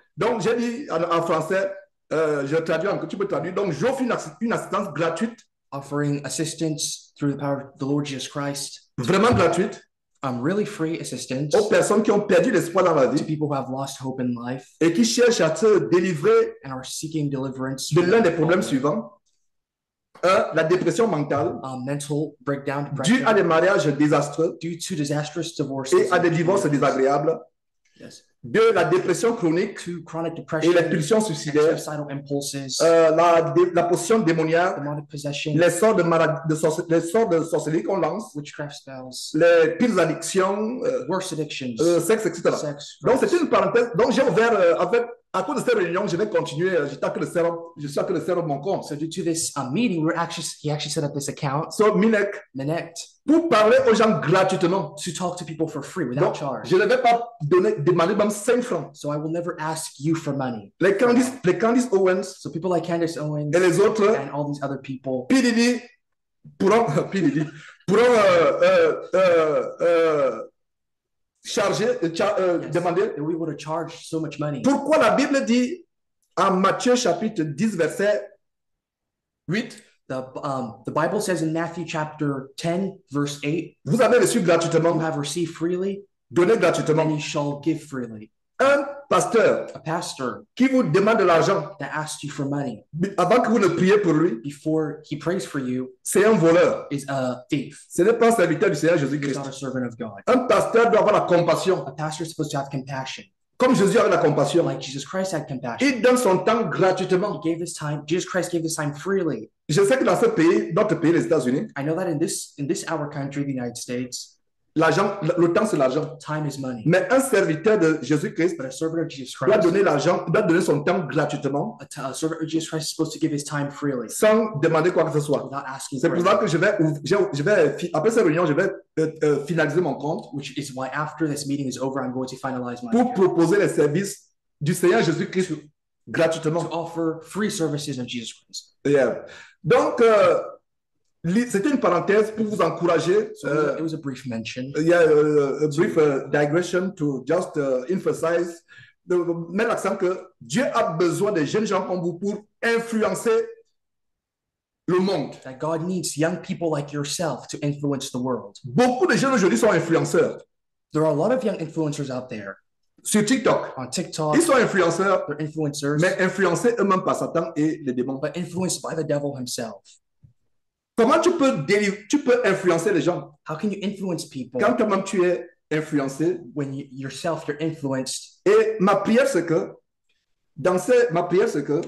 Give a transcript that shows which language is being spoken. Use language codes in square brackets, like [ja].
[fr] Donc, j'ai dit en français, je traduis en que tu peux traduire. Donc, j'offre une assistance gratuite. [en] Offering assistance through the power of the Lord Jesus Christ. [fr] Vraiment gratuite. [en] Really free assistance. [fr] Aux personnes qui ont perdu l'espoir dans la vie. [en] To people who have lost hope in life. [fr] Et qui cherchent à se délivrer. [en] And are seeking deliverance. [fr] De l'un des problèmes suivants. La dépression mentale, [en] mental breakdown, [fr] due à des mariages désastreux, [en] due to disastrous divorces, [fr] et à des divorces désagréables, [en] yes. [fr] De la dépression chronique, [en] to chronic depression, [fr] et les pulsions suicidaires, [en] suicidal impulses, [fr] la possession démoniaque, [en] demonic possession, [fr] les sorts de sorcellerie qu'on lance, [en] witchcraft spells, [fr] les pires addictions, [en] worse addictions, [fr] sexe, etc. [en] Sex, [fr] donc c'est une parenthèse. Donc j'ai ouvert avec À cause de cette réunion, je vais continuer. Je suis en train de [en] set up [fr] mon compte. [en] So due to this meeting, he actually set up this account. [fr] So Minect. Pour parler aux gens gratuitement. [en] To talk to people for free without charge. [fr] Je ne vais pas demander même 5 francs. [en] So I will never ask you for money. [fr] Les Candice Owens. [en] So people like Candice Owens. [fr] Et les autres. [en] And all these other people. [fr] PDD. Demander. [en] And we would have charged so much money. [fr] Pourquoi la Bible dit en Matthieu chapitre 10 verset 8? [en] The Bible says in Matthew chapter 10 verse 8. [fr] Vous avez reçu gratuitement. [en] You have received freely. [fr] Donnez gratuitement. [en] And you shall give freely. [fr] Un pasteur. [en] A pastor. [fr] Qui vous demande de l'argent. [en] That asks you for money. [fr] Avant que vous ne priez pour lui. [en] Before he prays for you. [fr] C'est un voleur. [en] Is a thief. [fr] Ce n'est pas un serviteur du Seigneur Jésus Christ. [en] Not a servant of God. [fr] Un pasteur doit avoir la compassion. [en] A pastor is supposed to have compassion. [fr] Comme Jésus avait la compassion. [en] Like Jesus Christ had compassion. [fr] Il donne son temps gratuitement. [en] He gave his time. Jesus Christ gave his time freely. [fr] Je sais que dans ce pays, notre pays, les États-Unis. [en] I know that in this our country, the United States. [fr] L'argent, le temps c'est l'argent. [en] Time is money. [fr] Mais un serviteur de Jésus-Christ doit donner l'argent, doit donner son temps gratuitement. [en] A servant of Jesus Christ is supposed to give his time freely. [fr] Sans demander quoi que ce soit. [en] Without asking. [fr] C'est pour ça que après cette réunion, je vais finaliser mon compte. [en] Which is why after this meeting is over, I'm going to finalize my. [fr] Pour proposer les services du Seigneur Jésus-Christ gratuitement. [en] To offer free services of Jesus Christ. [fr] Yeah. Donc. C'était une parenthèse pour vous encourager. [en] It was a brief mention. Yeah, a brief digression to just emphasize, [fr] mettre l'accent que Dieu a besoin des jeunes gens comme vous pour influencer le monde. [en] That God needs young people like yourself to influence the world. [fr] Beaucoup de jeunes aujourd'hui sont influenceurs. [en] There are a lot of young influencers out there. [fr] Sur TikTok. [en] On TikTok. [fr] Ils sont influenceurs. [en] They're influencers. [fr] Mais influencés eux-mêmes par Satan et les démons. [en] But influenced by the devil himself. [fr] Comment tu peux influencer les gens? [en] How can you influence people? [fr] Quand toi-même tu es influencé. [en] When yourself you're influenced. [fr] Et ma prière c'est que dans ce ma prière c'est que.